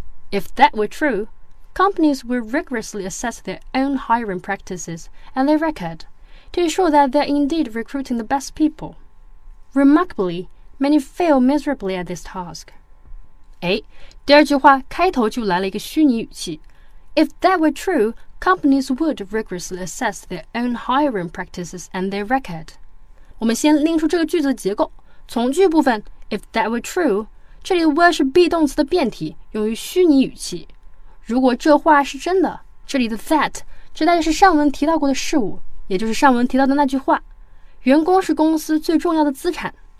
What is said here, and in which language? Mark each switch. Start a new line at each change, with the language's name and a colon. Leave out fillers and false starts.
English: If that were true, companies would rigorously assess their own hiring practices and their recordto ensure that they're indeed recruiting the best people. Remarkably, many fail miserably at this task.
Chinese: 哎，第二句话开头就来了一个虚拟语气。
English: If that were true, companies would rigorously assess their own hiring practices and their record.
Chinese: 我们先拎出这个句子的结构。从句部分 ,
English: if that were true,
Chinese: 这里的 were 是 be 动词的变体，用于虚拟语气。如果这话是真的，这里的 that, 指代的是上文提到过的事物，也就是上文提到的那句话。员工是公司最重要的资产。